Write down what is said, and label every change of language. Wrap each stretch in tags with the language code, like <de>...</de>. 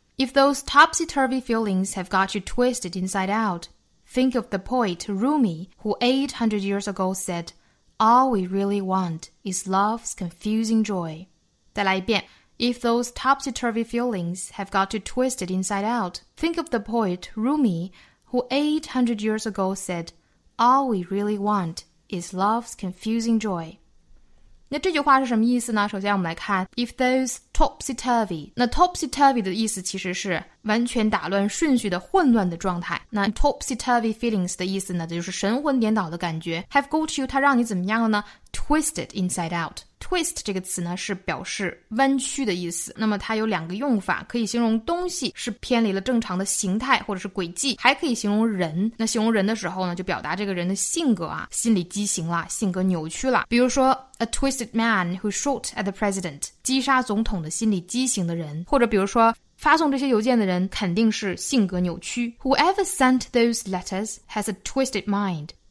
<en>If those topsy-turvy feelings have got you twisted inside out, think of the poet Rumi who 800 years ago saidAll we really want is love's confusing joy.</en> <zh>再来一遍。</zh> <en>If those topsy-turvy feelings have got you twisted inside out, think of the poet Rumi who 800 years ago said, All we really want is love's confusing joy.</en> <zh>那这句话是什么意思呢？首先我们来看</zh> <en>If those topsy-turvy,</en> <zh>那 topsy-turvy 的意思其实是完全打乱顺序的混乱的状态。那 topsy-turvy feelings 的意思呢，就是神魂颠倒的感觉。</zh> <en>Have got you,</en> <zh>它让你怎么样了呢？</zh> <en>Twisted inside out.</en> <zh>Twist 这个词呢，是表示弯曲的意思。那么它有两个用法，可以形容东西是偏离了正常的形态或者是轨迹，还可以形容人。那形容人的时候呢，就表达这个人的性格啊，心理畸形了，性格扭曲了。比如说</zh> <en>A twisted man who shot at the president.</en> <zh>击杀总统的心理畸形的人。或者比如说发送这些邮件的人肯定是性格扭曲。</zh> <en>Whoever sent those letters has a twisted mind.</en>